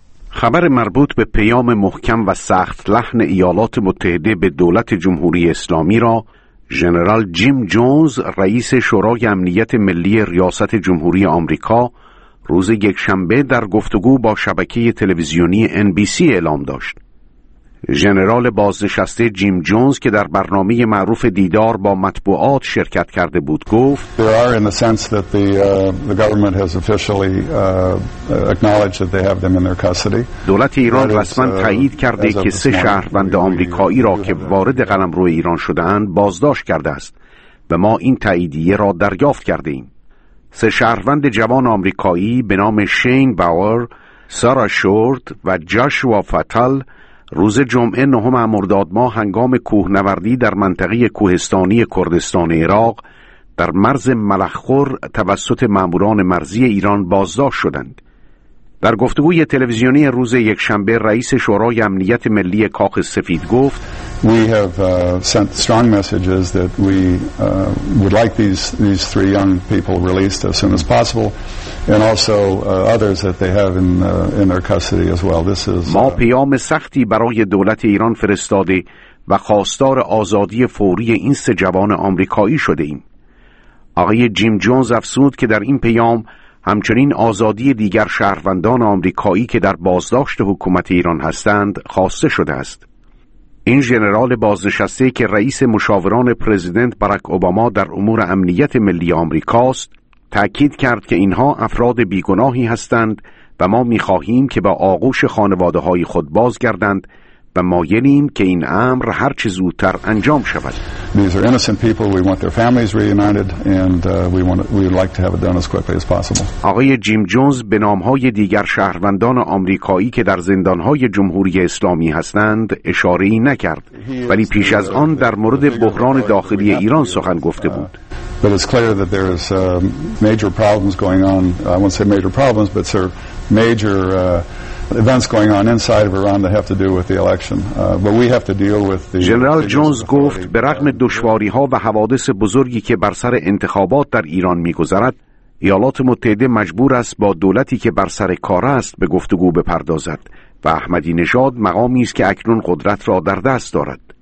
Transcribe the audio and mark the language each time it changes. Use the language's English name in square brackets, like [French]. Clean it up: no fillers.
[Persian] خبر مربوط به پیام محکم و سخت لحن ایالات متحده به دولت جمهوری اسلامی را ژنرال جیم جونز، رئیس شورای امنیت ملی ریاست جمهوری آمریکا، روز یکشنبه در گفتگو با شبکه تلویزیونی NBC اعلام داشت. ژنرال بازنشسته جیم جونز که در برنامه معروف دیدار با مطبوعات شرکت کرده بود گفت: [English] There are in the sense that the government has officially acknowledged that they have them in their custody. [Persian] دولت ایران رسما تایید کرده که 3 شهروند آمریکایی را که وارد قلمرو ایران شدند بازداشت کرده است و ما این تاییدیه را دریافت کرده ایم. 3 شهروند جوان آمریکایی به نام شین باور، سارا شورت و جاشوا فاتل روز جمعه 9 مرداد ماه هنگام کوهنوردی در منطقه کوهستانی کردستان عراق در مرز ملخخور توسط ماموران مرزی ایران بازداشت شدند. در گفتگوی تلویزیونی روز یکشنبه رئیس شورای امنیت ملی کاخ سفید گفت: [English] We have sent strong messages that we would like these three young people released as soon as possible and also others that they have in their custody as well. This is [Persian] ما پیام سختی برای دولت ایران فرستاده و خواستار آزادی فوری این 3 جوان آمریکایی شده ایم. آقای جیم جونز افسود که در این پیام همچنین آزادی دیگر شهروندان آمریکایی که در بازداشت حکومت ایران هستند خواسته شده است. این ژنرال بازنشسته که رئیس مشاوران پرزیدنت باراک اوباما در امور امنیت ملی آمریکاست تأکید کرد که اینها افراد بیگناهی هستند و ما می‌خواهیم که با آغوش خانواده‌های خود بازگردند و مایلیم که این امر هر چه زودتر انجام شود. [English] These are innocent people. We want their families reunited and we'd like to have it done as quickly as possible. [Persian] آقای جیم جونز به نام‌های دیگر شهروندان آمریکایی که در زندان‌های جمهوری اسلامی هستند اشاره‌ای نکرد، ولی پیش از آن در مورد بحران داخلی ایران سخن گفته بود. [English] But it's clear that there is major problems going on. I won't say major problems, but sir, major events going on inside of Iran that have to do with the election. But we have to deal with the [Persian] General Jones گفت به رغم دشواری‌ها و حوادث بزرگی که بر سر انتخابات در ایران می‌گذرد، ایالات متحده مجبور است با دولتی که بر سر کار است به گفتگو بپردازد و احمدی نژاد مقامی است که اکنون قدرت را در دست دارد.